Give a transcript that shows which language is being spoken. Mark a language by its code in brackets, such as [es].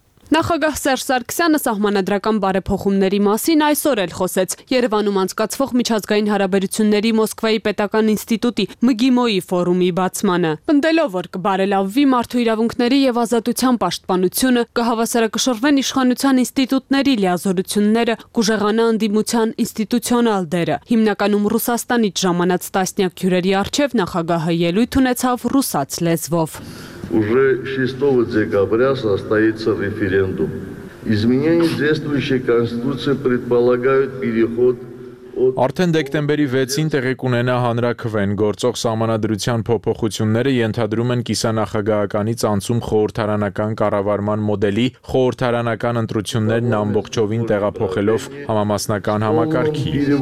[hy] Նախագահ Սերժ Սարգսյանը սահմանադրական բարեփոխումների մասին այսօր էլ խոսեց Երևանում անցկացվող միջազգային հարաբերությունների Մոսկվայի պետական ինստիտուտի ՄԳԻՄՕ-ի ֆորումի բացմանը։ Պնդելով, որ կբարելավվի մարդու իրավունքների եւ ազատության պաշտպանությունը, կհավասարակշռվեն իշխանության ինստիտուտների լիազորությունները, կուժեղանա անդիմության ինստիտուցիոնալ դերը։ Հիմնականում Ռուսաստանից ժամանած տասնյակ հյուրերի առջև նախագահը ելույթ ունեցավ ռուսաց լեզվով։ [ru] Уже 6 декабря состоится референдум. Изменения действующей конституции предполагают переход [hy] Արդեն դեկտեմբերի 6-ին տեղի կունենա հանրաքվեն, գործող սահմանադրության փոփոխությունները ենթադրում են կիսանախագահականից անցում խորհրդարանական կառավարման մոդելի խորհրդարանական ընտրություններն ամբողջովին տեղափոխելով համամասնական համակարգի։